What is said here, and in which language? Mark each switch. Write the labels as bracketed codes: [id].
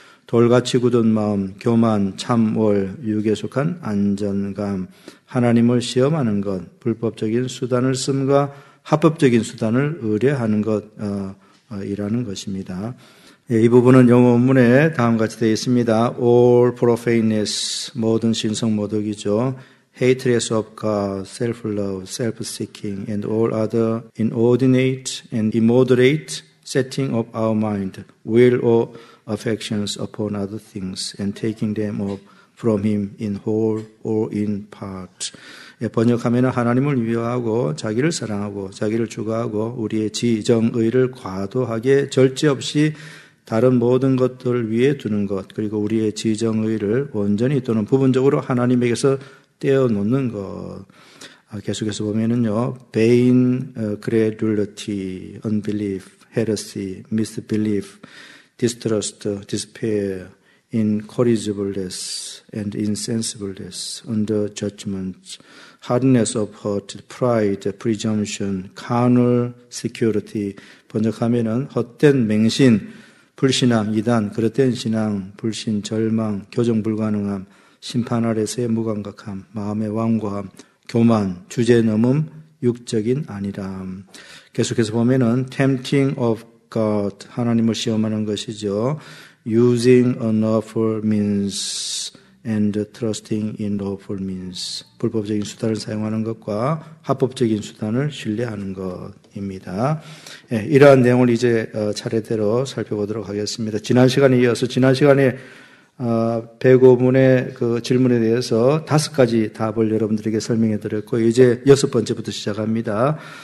[ko] 돌같이 굳은 마음, 교만, 참월, 육에 속한 안전감, 하나님을 시험하는 것, 불법적인 수단을 씀과 합법적인 수단을 의뢰하는 것이라는 것입니다. 이 부분은 영어 원문에 다음같이 되어 있습니다. [en] All profaneness, [ko] 모든 신성모독이죠. [en] Hatred of God, self-love, self-seeking, and all other inordinate and immoderate setting of our mind, will or affections upon other things, and taking them up from him in whole or in part. [ko] 번역하면 하나님을 미워하고 자기를 사랑하고 자기를 추구하고 우리의 지정의를 과도하게 절제 없이 다른 모든 것들 위에 두는 것, 그리고 우리의 지정의를 온전히 또는 부분적으로 하나님에게서 떼어놓는 것. 계속해서 보면은요, [en] vain credulity, unbelief, heresy, misbelief, distrust, despair, incorrigibleness, and insensibleness, under judgment, hardness of heart, pride, presumption, carnal security. [ko] 번역하면은 헛된 맹신, 불신앙, 이단, 그릇된 신앙, 불신, 절망, 교정 불가능함, 심판 아래서의 무감각함, 마음의 완고함, 교만, 주제 넘음, 육적인 아니람. 계속해서 보면은 [en] tempting of God, [ko] 하나님을 시험하는 것이죠. [en] Using unlawful means and trusting in lawful means. [ko] 불법적인 수단을 사용하는 것과 합법적인 수단을 신뢰하는 것입니다. 예, 이러한 내용을 이제 차례대로 살펴보도록 하겠습니다. 지난 시간에 이어서 지난 시간에 105문의 그 질문에 대해서 다섯 가지 답을 여러분들에게 설명해 드렸고 이제 여섯 번째부터 시작합니다.